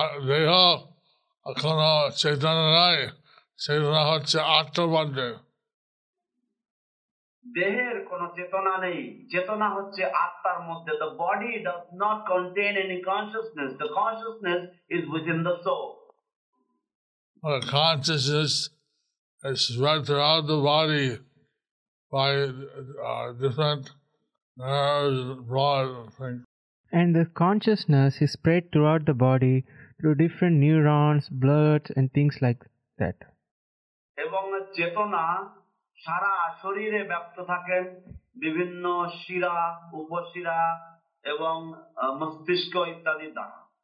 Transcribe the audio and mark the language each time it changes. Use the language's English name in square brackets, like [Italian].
[Bangla] দেহ এখন চেতনা নাই, চেতনা হচ্ছে আত্মবন্ধে। দেহের কোন চেতনা নেই, চেতনা হচ্ছে আত্মার মধ্যে। [English] The body does not contain any consciousness. The consciousness is within the soul. The consciousness is spread throughout the body. By different nerves, blood, I think. And the consciousness is spread throughout the body through different neurons, blood, and things like that. [Bangla] এবং চেতনা সারা শরীরে ব্যাপ্ত থাকে, বিভিন্ন শিরা, উপশিরা এবং মস্তিষ্ক ইত্যাদি দ্বারা।